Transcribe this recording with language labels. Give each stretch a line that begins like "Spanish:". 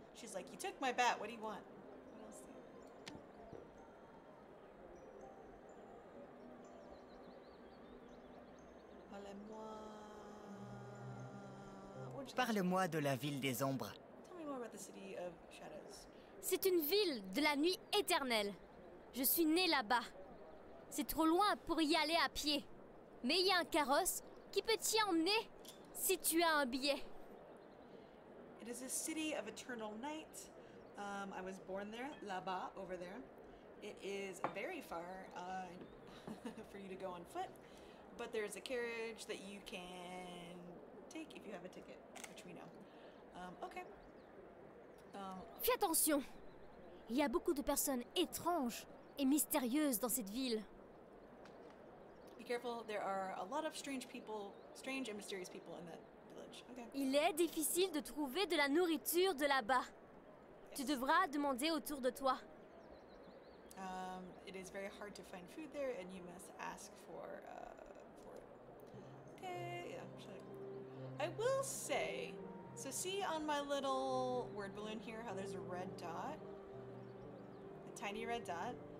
English: She's like, you took my bat. What do you want? What else do you want?
French: Parle-moi de la ville des ombres.
English: Tell me more about the city of shadows.
French: C'est une ville de la nuit éternelle. Je suis née là-bas. C'est trop loin pour y aller à pied. Mais il y a un carrosse qui peut t'y emmener si tu as un billet.
English: It is a city of eternal night. I was born there, là-bas, over there. It is very far for you to go on foot. But there is a carriage that you can take if you have a ticket, which we know. Okay.
French: Fais attention. Il y a beaucoup de personnes étranges et mystérieuses dans cette ville.
English: Be careful, there are a lot of strange people, strange and mysterious people in that village. Okay.
French: Il est difficile de trouver de la nourriture de là-bas. Yes. Tu devras demander autour de toi.
English: It is very hard to find food there and you must ask for it. Okay, yeah, I will say. So see on my little word balloon here how there's a red dot? A tiny red dot?